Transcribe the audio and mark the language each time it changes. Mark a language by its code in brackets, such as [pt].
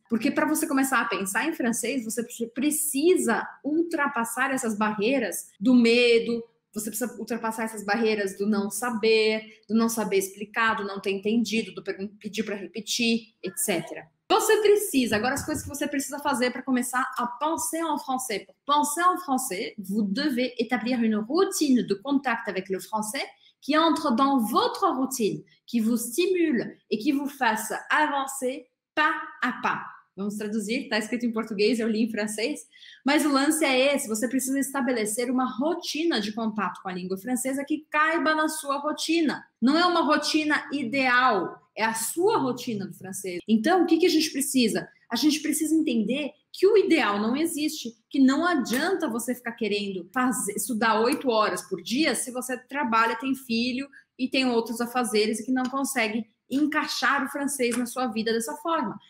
[pt] Porque para você começar a pensar em francês, você precisa ultrapassar essas barreiras do medo, você precisa ultrapassar essas barreiras do não saber explicar, do não ter entendido, do pedir para repetir, etc. Você precisa, agora as coisas que você precisa fazer para começar a [fr] penser en français. Pour penser en français, vous devez établir une routine de contact avec le français qui entre dans votre routine, qui vous stimule et qui vous fasse avancer pas à pas. [pt] Vamos traduzir, está escrito em português, eu li em francês. Mas o lance é esse: você precisa estabelecer uma rotina de contato com a língua francesa que caiba na sua rotina. Não é uma rotina ideal, é a sua rotina do francês. Então, o que que a gente precisa? A gente precisa entender que o ideal não existe, que não adianta você ficar querendo fazer, estudar 8 horas por dia se você trabalha, tem filho e tem outros afazeres e que não consegue encaixar o francês na sua vida dessa forma.